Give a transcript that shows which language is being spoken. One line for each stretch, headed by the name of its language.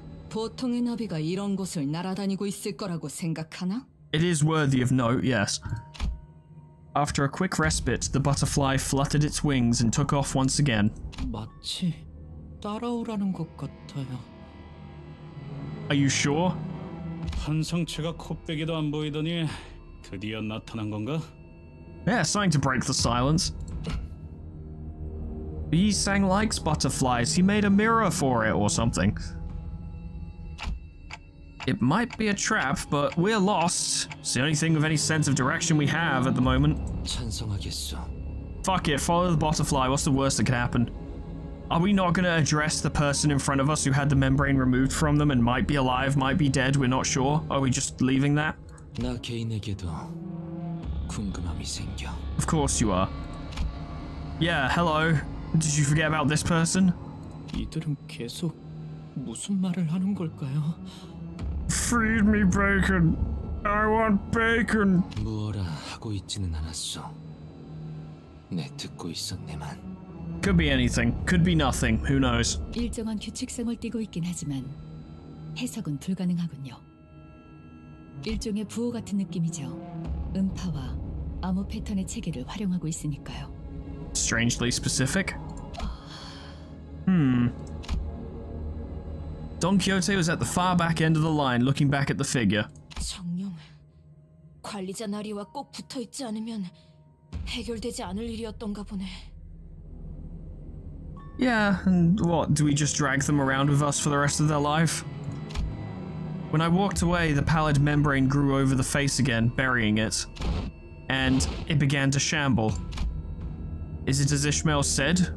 Korean: 보통의 나비가 이런 곳을 날아다니고 있을 거라고 생각하나?
English: It is worthy of note, yes. After a quick respite, the butterfly fluttered its wings and took off once again.
Korean: 마치 따라오라는 것 같아요.
English: Are you sure?
Korean: 환상체가 코빼기도 안 보이더니 드디어 나타난 건가?
English: Yeah, something to break the silence. Yi Sang likes butterflies. He made a mirror for it or something. It might be a trap, but we're lost. It's the only thing of any sense of direction we have at the moment.
Korean: 찬성하겠어.
English: Fuck it, follow the butterfly. What's the worst that could happen? Are we not gonna address the person in front of us who had the membrane removed from them and might be alive, might be dead, we're not sure? Are we just leaving that?
Korean: 나 개인에게도 궁금함이 생겨.
English: Of course you are. Yeah, hello. Did you forget about this person?
Korean: 이들은 계속 무슨 말을 하는 걸까요?
English: Feed me bacon. I want bacon.
Korean: 무어라 하고 있지는 않았어. 내 듣고 있었네만.
English: Could be anything. Could be nothing. Who knows?
Korean: 일정한 규칙성을 띠고 있긴 하지만 해석은 불가능하군요. 일종의 부호 같은 느낌이죠. 음파와 암호 패턴의 체계를 활용하고 있으니까요.
English: Strangely specific. Hmm. Don Quixote was at the far back end of the line, looking back at the figure.
Korean: 정령, 관리자 나리와 꼭 붙어 있지 않으면 해결되지 않을 일이었던가 보네.
English: Yeah, and what, do we just drag them around with us for the rest of their life? When I walked away, the pallid membrane grew over the face again, burying it. And it began to shamble. Is it as Ishmael said?